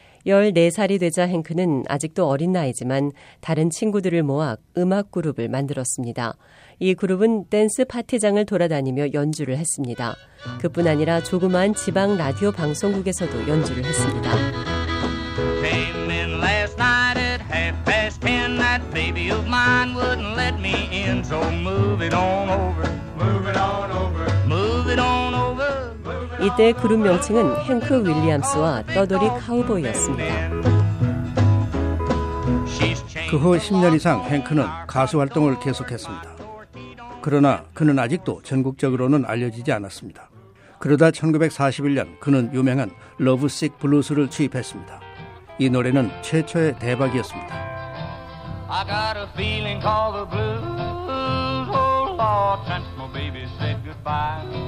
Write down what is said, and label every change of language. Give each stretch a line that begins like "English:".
Korean: 14살이 되자 행크는 아직도 어린 나이지만 다른 친구들을 모아 음악 그룹을 만들었습니다. 이 그룹은 댄스 파티장을 돌아다니며 연주를 했습니다. 그뿐 아니라 조그마한 지방 라디오 방송국에서도 연주를 했습니다.
English: Came in last night at half past ten. That baby of mine wouldn't let me in. So move it on over, move it on over, move it on over.
Korean: 이때 그룹 명칭은 행크 윌리엄스와 떠돌이 카우보이였습니다. 그 후 10년 이상 행크는 가수 활동을 계속했습니다. 그러나 그는 아직도 전국적으로는 알려지지 않았습니다. 그러다 1941년 그는 유명한 러브 식 블루스를 취입했습니다. 이 노래는 최초의 대박이었습니다.
English: I got a feeling called the blues. Oh Lord, since my baby said goodbye.